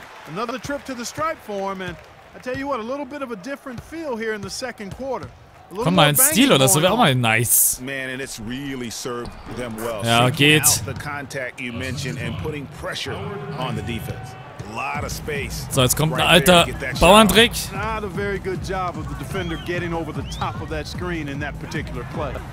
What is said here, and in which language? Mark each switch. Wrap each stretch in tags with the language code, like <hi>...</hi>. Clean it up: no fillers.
<en>Another trip to the stripe for him, and I tell you what, a little bit of a different feel here in the second quarter.</en> <de>Komm mal, ein Stil oder so wäre auch mal nice.</de> <en>Man, and it's really served them well.</en> <de>Ja, geht.</de> <en>The contact you mentioned and putting pressure on the defense.</en> <de>So, jetzt kommt ein alter Bauerntrick.</de> <en>Not a very good job of the defender getting over the top of that screen in that particular play.</en>